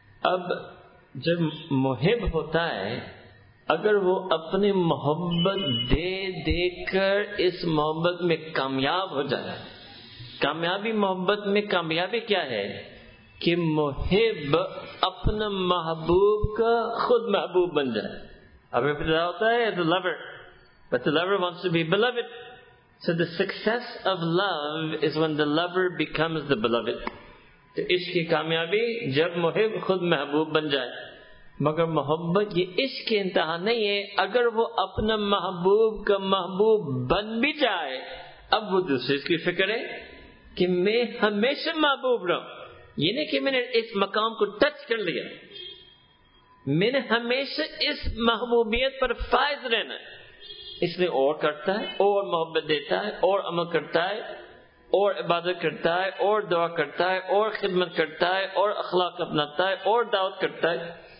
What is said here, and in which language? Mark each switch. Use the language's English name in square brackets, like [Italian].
[Urdu] اب جب محب ہوتا ہے, اگر وہ اپنی محبت دے دے کر اس محبت میں کامیاب ہو جائے, کامیابی محبت میں کامیابی کیا ہے کہ محب اپنا محبوب کا خود محبوب بن جائے. اب یہ پتہ ہوتا ہے [English] the lover, but the lover wants to be beloved. So the success of love is when the lover becomes the beloved. [Urdu] تو عشق کی کامیابی جب محب خود محبوب بن جائے. مگر محبت یہ عشق کی انتہا نہیں ہے, اگر وہ اپنا محبوب کا محبوب بن بھی جائے, اب وہ دوسرے کی فکر ہے کہ میں ہمیشہ محبوب رہوں, یعنی کہ میں نے اس مقام کو ٹچ کر لیا, میں نے ہمیشہ اس محبوبیت پر فائز رہنا, اس لیے اور کرتا ہے, اور محبت دیتا ہے, اور عمل کرتا ہے, اور عبادت کرتا ہے, اور دعا کرتا ہے, اور خدمت کرتا ہے, اور اخلاق اپناتا ہے, اور دعوت کرتا ہے.